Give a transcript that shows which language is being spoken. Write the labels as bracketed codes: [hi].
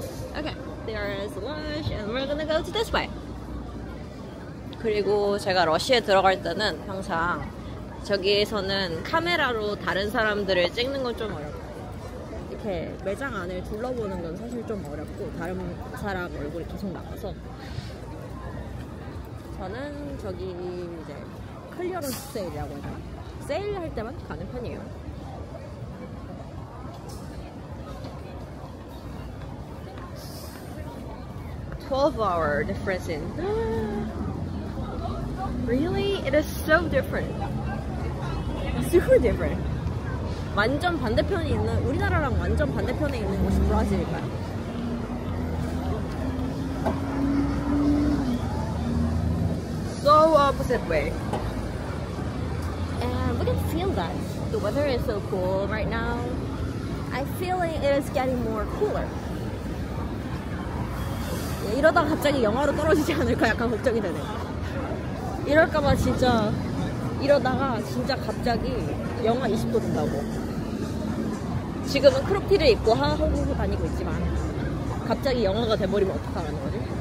[en] Okay, there is Lush and we're gonna go to this way. [ko] 그리고 제가 러쉬에 들어갈 때는 항상 저기에서는 카메라로 다른 사람들을 찍는 건 좀 어렵고 이렇게 매장 안을 둘러보는 건 사실 좀 어렵고 다른 사람 얼굴이 계속 나와서 저는 저기 이제 클리어런스 세일이라고 하잖아. 세일 할 때만 가는 편이에요. [en] 12-hour difference in. Really? It is so different. Super different. [ko] 완전 반대편에 있는 우리나라랑 완전 반대편에 있는 곳이 브라질일까요? [en] 서울 opposite way. We can feel that the weather is so cool right now. I feel like it is getting more cooler. [ko] 이러다 갑자기 영하로 떨어지지 않을까 약간 걱정이 되네. 이럴까봐 진짜 이러다가 진짜 갑자기 영하 20도 된다고. 지금은 크롭티를 입고 한국에서 다니고 있지만 갑자기 영하가 돼버리면 어떡하라는 거지?